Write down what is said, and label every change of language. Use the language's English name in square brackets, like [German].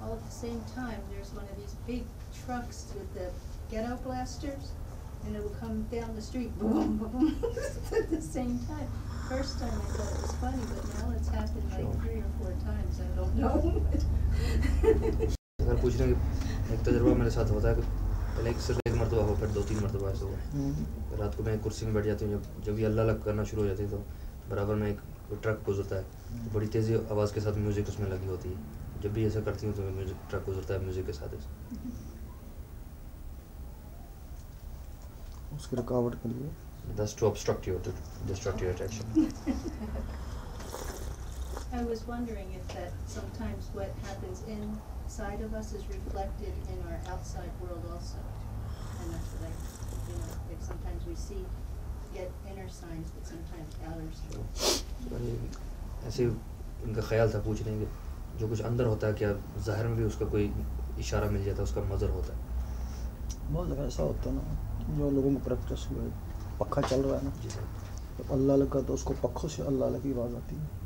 [English] Same time there's one of these big trucks with the ghetto blasters and it will come down the street, boom, boom, boom, at the same time. First time I thought it was funny, but now it's happened like three or four times. I don't know. [Hindi] अगर पूछ रहे हैं एक तजुर्बा मेरे साथ होता है पहले एक सिर्फ एक मरतबा हुआ फिर दो तीन मरतबा ऐसा हुआ रात को मैं कुर्सी में बैठ जाती हूँ जब भी अल्लाह अलग करना शुरू हो जाती है तो बराबर में एक ट्रक गुजरता है तो बड़ी तेज़ी आवाज़ के साथ म्यूज़िक उसमें लगी होती है जब भी ऐसा करती हूँ तो म्यूज़िक ट्रक गुजरता है म्यूज़िक के साथ ऐसा उसकी रुकावट के लिए [English] Thus to obstruct your to distract your attention I was wondering if that sometimes what happens inside of us is reflected in our outside world also. And that's what I, you know, if sometimes we see, get inner signs, but sometimes outer signs. [Hindi] So, उनका ख्याल था पूछ रहे हैं कि जो कुछ अंदर होता है क्या जाहिर में भी उसका कोई इशारा मिल जाता है उसका मज़र होता है बहुत जगह ऐसा होता है ना जो लोगों में प्रैक्टिस हुआ है पक्का चल रहा है ना जी सर जब अल्लाह लगा तो उसको पक्खों से अल्लाह की आवाज़ आती है